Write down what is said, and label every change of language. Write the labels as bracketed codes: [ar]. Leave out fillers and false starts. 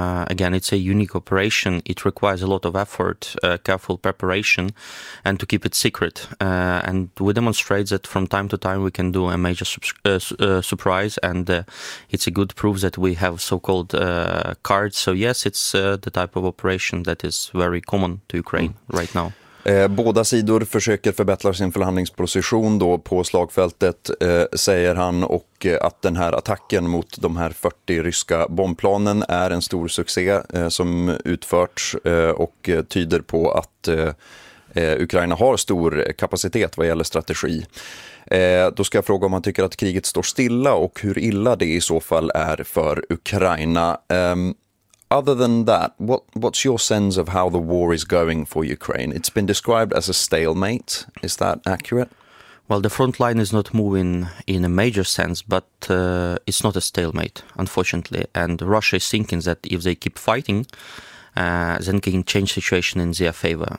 [en] Again, it's a unique operation. It requires a lot of effort, careful preparation, and to keep it secret. And we demonstrate that from time to time we can do a major surprise, and it's a good proof that we have so-called cards. So yes, it's the type of operation that is very common to Ukraine right now. [sv] Båda sidor försöker förbättra sin förhandlingsposition då på slagfältet, säger han, och att den här attacken mot de här 40 ryska bombplanen är en stor succé som utförts och tyder på att Ukraina har stor kapacitet vad gäller strategi. Då ska jag fråga om han tycker att kriget står stilla och hur illa det i så fall är för Ukraina. [en] Other than that, what's your sense of how the war is going for Ukraine? It's been described as a stalemate. Is that accurate? Well, the front line is not moving in a major sense, but it's not a stalemate, unfortunately. And Russia is thinking that if they keep fighting, then can change situation in their favor.